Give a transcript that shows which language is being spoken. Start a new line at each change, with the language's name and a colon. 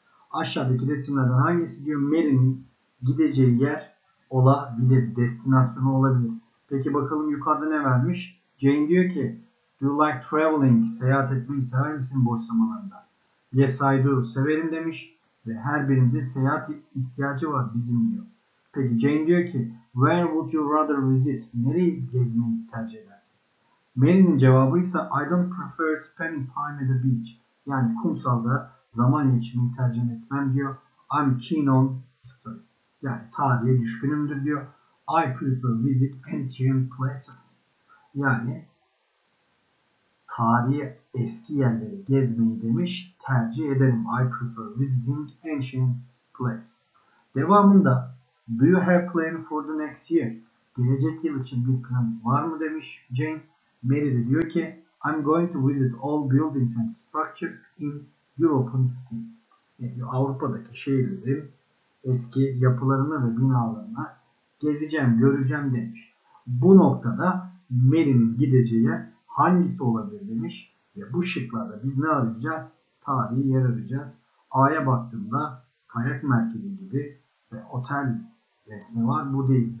Turkish: Aşağıdaki resimlerden hangisi diyor, Mary'nin gideceği yer olabilir, destinasyonu olabilir. Peki bakalım yukarıda ne vermiş? Jane diyor ki,
English: do you like traveling?
Turkish: Seyahat etmeyi sever misin boş zamanlarında?
English: Yes I do,
Turkish: severim demiş. Ve her birimizin seyahat ihtiyacı var bizim diyor. Peki Jane diyor ki,
English: where would you rather visit?
Turkish: Nereyi gezmeyi tercih edersin? Mary'nin cevabı ise,
English: I don't prefer spending time at the beach.
Turkish: Yani kumsalda zaman geçirmeyi tercih etmem diyor.
English: I'm keen on history.
Turkish: Yani tarihe düşkünümdür diyor.
English: I prefer visit ancient places.
Turkish: Yani tarihi eski yerleri gezmeyi demiş, tercih ederim.
English: I prefer visiting ancient places.
Turkish: Devamında,
English: do you have plan for the next year?
Turkish: Gelecek yıl için bir plan var mı demiş Jane. Mary de diyor ki,
English: I'm going to visit all buildings and structures in European cities.
Turkish: Yani Avrupa'daki şehirlerin eski yapılarını ve binalarını gezeceğim, göreceğim demiş. Bu noktada Mary'nin gideceği hangisi olabilir demiş. Ve bu şıklarda biz ne arayacağız? Tarihi yer arayacağız. A'ya baktığımda kayak merkezi gibi ve otel resmi var. Bu değil.